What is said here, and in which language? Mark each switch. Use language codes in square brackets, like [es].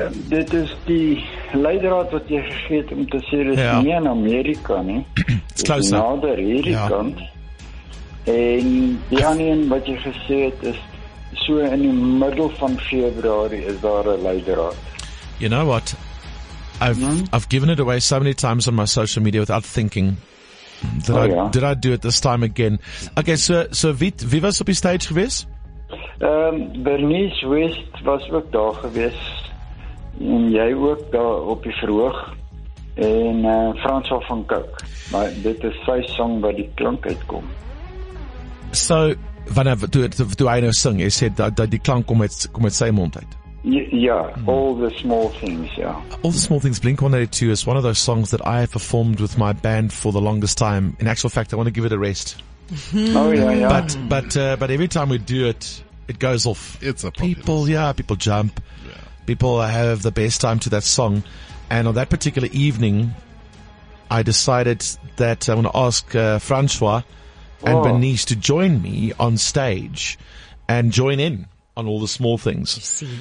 [af] Dit is die leidraad wat jy gegee het om te sê, dit is nie in Amerika nie. [en] It's closer. [af] Dit is nader hierdie kant. En die ander een wat jy gesê het is, so in die middel van februari is daar 'n leidraad. [en] You know what? I've given it away so many times on my social media without thinking. Did I do it this time again? [af] Okay, so wie was op die stage geweest? Bernice West was ook daar geweest. En jy ook daar op die verhoog. En François van Kouk. Maar dit is sy song wat die klank uitkom. So, toe hy nou sing, jy sê dat die klank kom uit sy mond uit. [en] All the Small Things, Blink 182 is one of those songs that I have performed with my band for the longest time. In actual fact, I want to give it a rest. Oh, yeah, yeah. But every time we do it, it goes off. It's a popular people, song. Yeah, people jump. Yeah. People have the best time to that song. And on that particular evening, I decided that I want to ask Francois and Bernice to join me on stage and join in on All the Small Things.